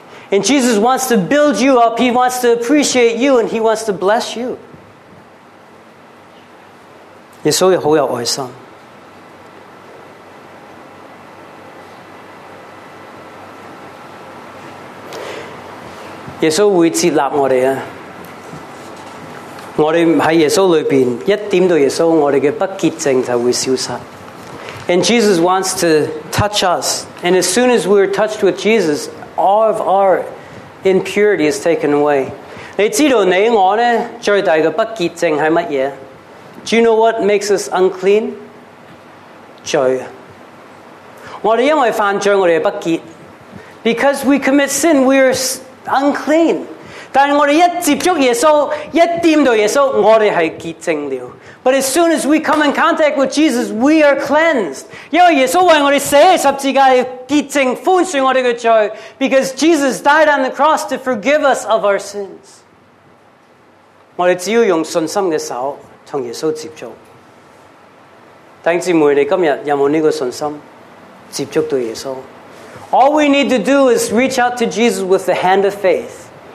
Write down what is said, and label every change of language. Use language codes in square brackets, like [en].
[en] And Jesus wants to build you up, he wants to appreciate you, and he wants to bless you. [zh] 耶稣也好有爱心。耶稣会接纳我们，我们在耶稣里面，一点到耶稣，我们的不洁净就会消失。 [en] And Jesus wants to touch us. And as soon as we are touched with Jesus, all of our impurity is taken away. [zh] 你知道你我呢最大的不洁净是什么？ [en] Do you know what makes us unclean? [zh] 罪。我们因为犯罪，我们不洁。 [en] Because we commit sin, we are unclean. [zh] 但我们一接触耶稣，一沾到耶稣，我们是洁净了。 [en] But as soon as we come in contact with Jesus, we are cleansed. [zh] 因为耶稣为我们死十字架洁净宽恕我们的罪， [en] because Jesus died on the cross to forgive us of our sins. [zh] 我们只要用信心的手跟耶稣接触。弟兄姊妹，你今天有没有这个信心接触到耶稣？ [en] All we need to do is reach out to Jesus with the hand of faith.